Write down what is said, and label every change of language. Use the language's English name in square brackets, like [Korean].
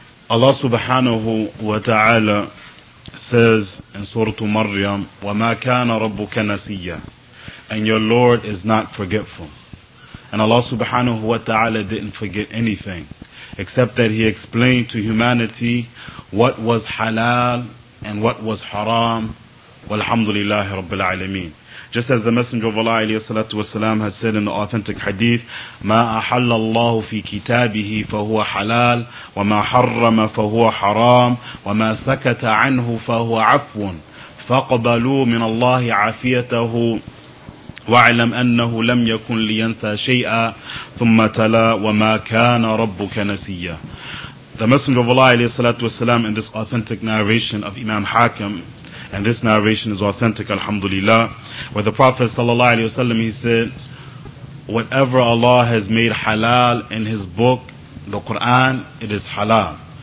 [English] Allah subhanahu wa ta'ala says in Surah Maryam, [Arabic] وَمَا كَانَ رَبُّكَ نَسِيًّا, [English] and your Lord is not forgetful. And Allah subhanahu wa ta'ala didn't forget anything, except that He explained to humanity what was halal and what was haram. [Arabic] Walhamdulillahi rabbil alameen. [English] Just as the Messenger of Allah alayhi salatu wasalam had said in the authentic hadith, [Arabic] مَا أَحَلَّ اللَّهُ فِي كِتَابِهِ فَهُوَ حَلَالٌ وَمَا حَرَّمَ فَهُوَ حَرَامٌ وَمَا سَكَتَ عَنْهُ فَهُوَ عَفْوٌ فَقَبَلُوا مِنَ اللَّهِ عَفِيَتَهُ وَعْلَمْ أَنَّهُ لَمْ يَكُنْ لِيَنْسَى شَيْئًا ثُمَّ تَلَى وَمَا كَانَ رَبُّكَ نَسِيًّا. [English] The Messenger of Allah alayhi salatu wasalam, in this authentic narration of Imam Hakim, and this narration is authentic, alhamdulillah, where the Prophet sallallahu alayhi wasallam, he said, whatever Allah has made halal in His book, the Quran, it is halal.